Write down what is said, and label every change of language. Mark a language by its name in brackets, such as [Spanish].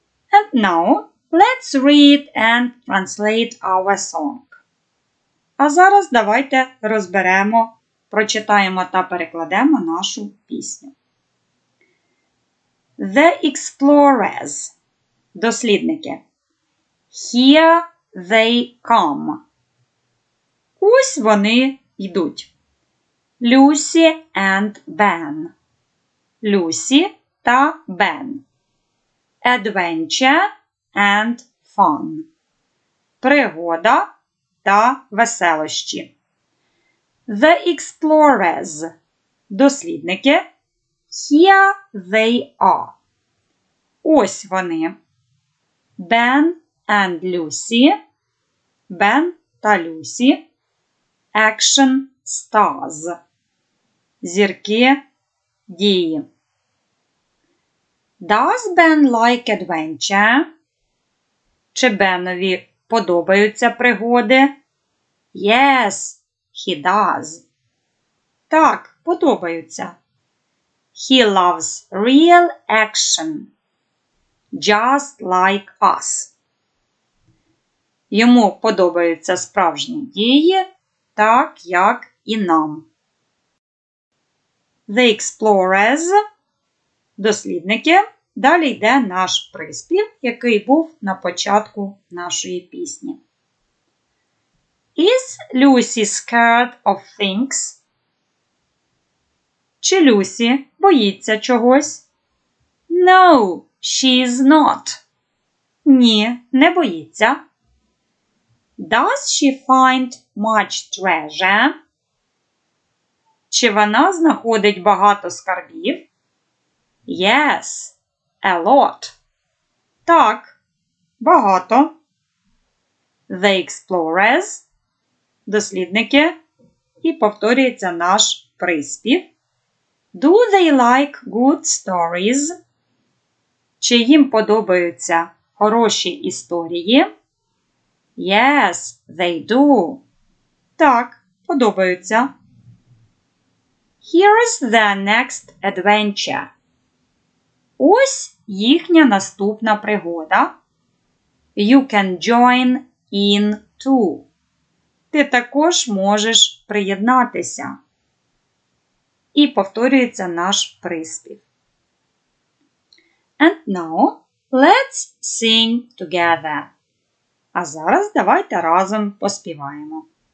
[English] And now, let's read and translate our song. [Ukrainian] А зараз давайте розберемо, прочитаємо та перекладемо нашу пісню. [English] The Explorers. [Ukrainian] Дослідники. [English] Here they come. [Ukrainian] Ось вони йдуть. [English] Lucy and Ben. Lucy та Ben. Adventure and fun. [Ukrainian] Пригода та веселощі. [English] The explorers. [Ukrainian] Дослідники. [English] Here they are. [Ukrainian] Ось вони. [English] Ben and Lucy. Ben та Lucy. Action stars. [Ukrainian] Зірки дії. [English] Does Ben like adventure? [Ukrainian] Чи Бенові подобаються пригоди? [English] Yes, he does. [Ukrainian] Так, подобаються. [English] He loves real action. just like us. [Ukrainian] Йому подобаються справжні дії, так як і нам. [English] The explorers – [Ukrainian] дослідники. Далі йде наш приспів, який був на початку нашої пісні. [English] Is Lucy scared of things? [Ukrainian] Чи Люсі боїться чогось? [English] No, she's not. [Ukrainian] Ні, не боїться. [English] Does she find much treasure? [Ukrainian] Чи вона знаходить багато скарбів? [English] Yes, a lot. [Ukrainian] Так, багато. [English] The explorers – [Ukrainian] дослідники. І повторюється наш приспів. [English] Do they like good stories? [Ukrainian] Чи їм подобаються хороші історії? [English] Yes, they do. [Ukrainian] Так, подобаються. [English] Here's the next adventure. [Ukrainian] Ось їхня наступна пригода. [English] You can join in too. [Ukrainian] Ти також можеш приєднатися. І повторюється наш приспів. [English] And now let's sing together. [Ukrainian] А зараз давайте разом поспіваємо.